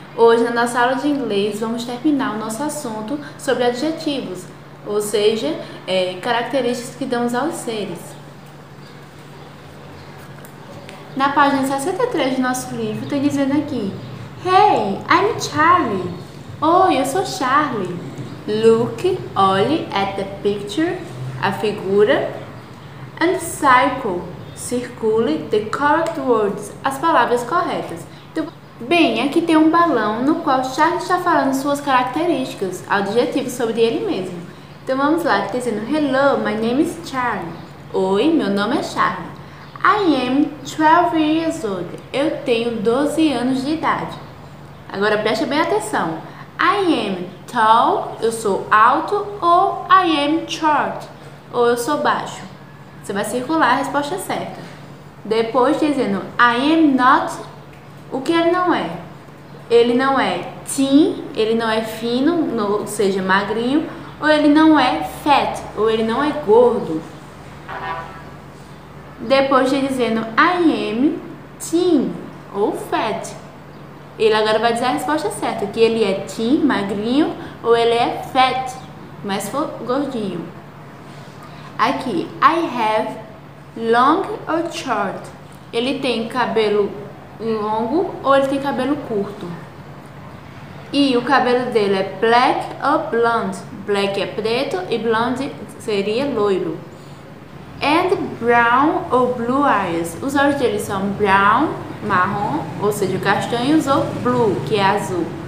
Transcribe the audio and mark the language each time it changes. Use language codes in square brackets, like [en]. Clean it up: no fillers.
[pt] Hoje na nossa aula de inglês vamos terminar o nosso assunto sobre adjetivos, ou seja, características que damos aos seres. Na página 63 do nosso livro tem dizendo aqui: [en] Hey, I'm Charlie! [pt] Oi, eu sou Charlie! [en] Look, olhe at the picture, [pt] a figura, [en] and cycle. [pt] Circule [en] the correct words, [pt] as palavras corretas. Então, bem, aqui tem um balão no qual Charles está falando suas características, adjetivos sobre ele mesmo. Então vamos lá, dizendo: [en] Hello, my name is Charlie. [pt] Oi, meu nome é Charlie. [en] I am 12 years old. [pt] Eu tenho 12 anos de idade. Agora preste bem atenção. [en] I am tall, [pt] eu sou alto, ou [en] I am short, [pt] ou eu sou baixo. Você vai circular a resposta certa. Depois dizendo, [en] I am not, [pt] o que ele não é? Ele não é thin, ele não é fino, ou seja, magrinho, ou ele não é fat, ou ele não é gordo. Depois dizendo, [en] I am thin, [pt] ou fat. Ele agora vai dizer a resposta certa, que ele é thin, magrinho, ou ele é fat, mas for gordinho. Aqui, [en] I have long or short. [pt] Ele tem cabelo longo ou ele tem cabelo curto. E o cabelo dele é [en] black or blonde. [pt] Black é preto e blonde seria loiro. [en] And brown or blue eyes. [pt] Os olhos dele são brown, marrom, ou seja, castanhos, ou blue, que é azul.